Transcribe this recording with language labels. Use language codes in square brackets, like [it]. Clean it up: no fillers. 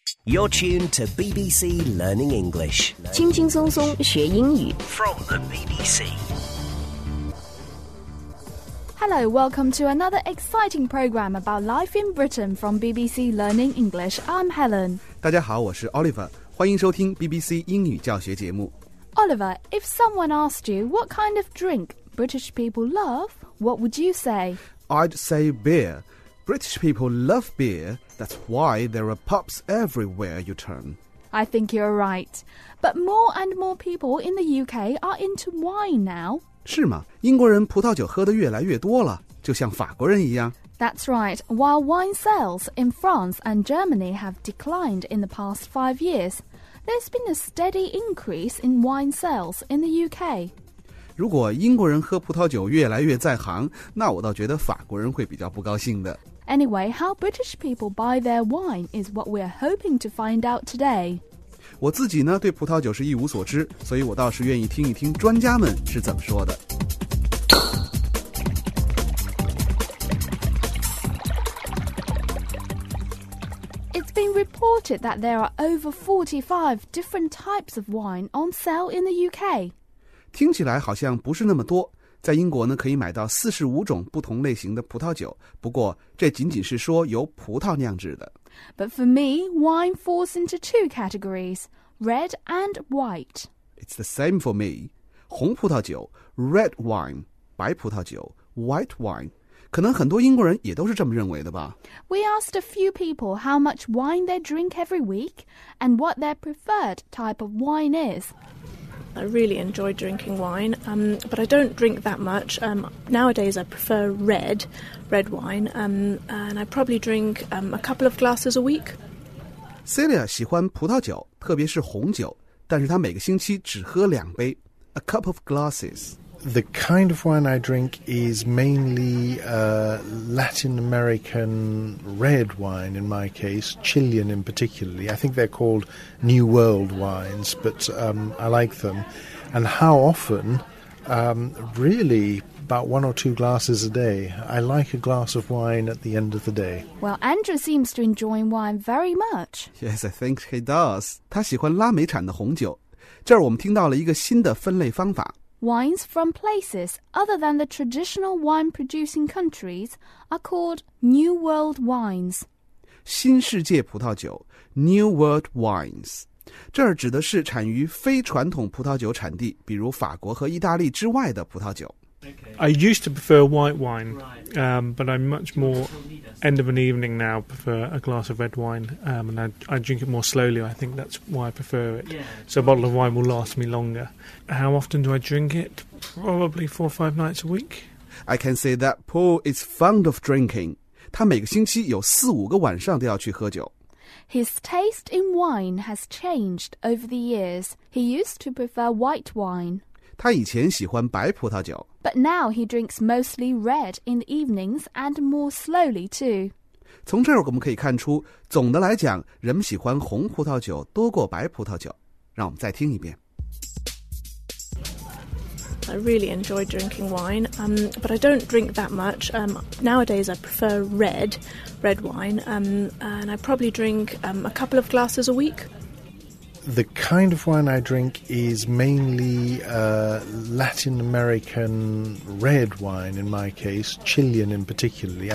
[en] You're tuned to BBC Learning English， [zh] 轻轻松松学英语。 [en] From the BBC。 Hello, welcome to another exciting program about life in Britain from BBC Learning English. I'm Helen. [zh] 大家好，我是 Oliver， 欢迎收听 BBC 英语教学节目。 [en] Oliver, if someone asked you what kind of drink British people love, what would you say? I'd say beer. British people love beer. That's why there are pubs everywhere you turn. I think you're right. But more and more people in the UK are into wine now. [zh] 是吗？英国人葡萄酒喝得越来越多了，就像法国人一样。 [en] That's right. While wine sales in France and Germany have declined in the past 5 years, there's been a steady increase in wine sales in the UK. [zh] 如果英国人喝葡萄酒越来越在行，那我倒觉得法国人会比较不高兴的。 [en] Anyway, how British people buy their wine is what we're hoping to find out today. [zh] 我自己呢，对葡萄酒是一无所知，所以我倒是愿意听一听专家们是怎么说的。 [en] It's been reported that there are over 45 different types of wine on sale in the UK. [zh] 听起来好像不是那么多，在英国呢可以买到45种不同类型的葡萄酒，不过这仅仅是说由葡萄酿制的。 [en] But for me, wine falls into two categories, red and white. It's the same for me. [zh] 红葡萄酒 [en] red wine, [zh] 白葡萄酒 [en] white wine. [zh] 可能很多英国人也都是这么认为的吧。 [en] We asked a few people how much wine they drink every week and what their preferred type of wine is. I really enjoy drinking wine, but I don't drink that much. Nowadays, I prefer red wine, and I probably drink a couple of glasses a week. [zh] Celia 喜欢葡萄酒，特别是红酒，但是她每个星期只喝两杯 ， [en] a cup of glasses. The kind of wine I drink is mainly Latin American red wine, in my case, Chilean in particular. I think they're called New World wines, but I like them. And how often? Really, about one or two glasses a day. I like a glass of wine at the end of the day. Well, Andrew seems to enjoy wine very much. Yes, I think he does. [zh] 他喜欢拉美产的红酒。这儿我们听到了一个新的分类方法。 [en] Wines from places other than the traditional wine-producing countries are called New World Wines. [zh] 新世界葡萄酒 [en] New World Wines. [zh] 这儿指的是产于非传统葡萄酒产地，比如法国和意大利之外的葡萄酒。 [en] I used to prefer white wine, but I'm much more end of an evening now prefer a glass of red wine, and I drink it more slowly. I think that's why I prefer it. So a bottle of wine will last me longer. How often do I drink it? Probably 4 or 5 nights a week. I can say that Paul is fond of drinking. [zh] 他每个星期有四五个晚上都要去喝酒。 [en] His taste in wine has changed over the years. He used to prefer white wine. [zh] 他以前喜欢白葡萄酒。 [en] But now he drinks mostly red in the evenings and more slowly too. [zh] 从这儿我们可以看出，总的来讲，人们喜欢红葡萄酒多过白葡萄酒。让我们再听一遍。 [en] I really enjoy drinking wine, but I don't drink that much. Nowadays I prefer red wine, and I probably drink a couple of glasses a week. The kind of wine I drink is mainly Latin American red wine, in my case, Chilean in particular.